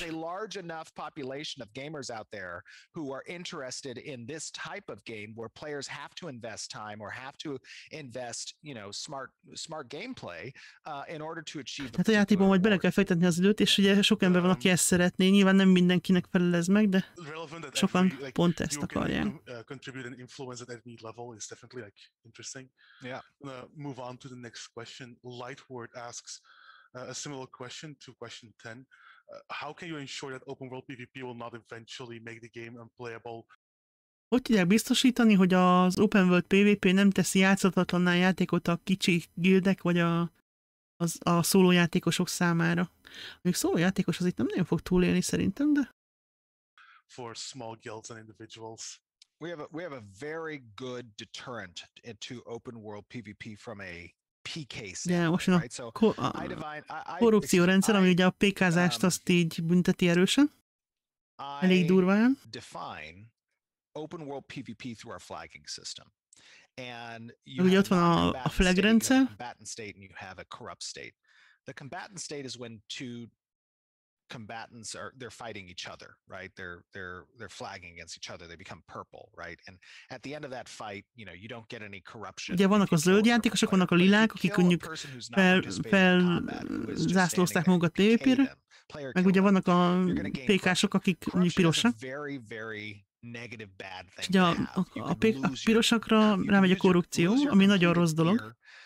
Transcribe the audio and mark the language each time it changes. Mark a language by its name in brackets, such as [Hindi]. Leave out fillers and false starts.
[English] There's a large enough population of gamers out there who are interested in this type of game where players have to invest time or have to invest, you know, smart gameplay in order to achieve. [Hungarian] Tehát a játékban majd bele kell fektetni az időt, és ugye sok ember van, aki ezt szeretné. Nyilván nem mindenkinek felel ez meg, de sokan pont ezt akarják. [English] Contribute and influence at any level is definitely like interesting. Yeah. Move on to the next question. Lightward asks a similar question to question 10. How can you ensure that open world PvP will not eventually make the game unplayable? [Hungarian] Hogy tudják biztosítani, hogy az open world PvP nem teszi játszhatatlanná játékot a kicsi gildek vagy a szóló játékosok számára? Még szóló játékos az itt nem nagyon fog túlélni szerintem, de [English] for small guilds and individuals. We have a very good deterrent into open world PvP from a PK standpoint. Yeah, most right? [Hungarian] Korrupció rendszer, ami ugye a PK-zást azt így bünteti erősen. Elég durván. [English] I define open world PvP through our flagging system. And [Hungarian] you ugye ott van a flag rendszer. [English] Combatant state and you have a corrupt state. The combatant state is when two combatants are they're fighting each other, right? They're flagging against each other. They become purple, right? And at the end of that fight, you know, you don't get any corruption. [Hungarian] Ugye vannak a zöld játékosok, vannak a lilák, akik mondjuk fel zászlózták magukat PvP-re, meg ugye vannak a PK-sok, akik mondjuk pirosak. [English] Negative bad thing. [Hungarian] Ugye a pirosakra rámegy a korrupció, ami nagyon rossz dolog.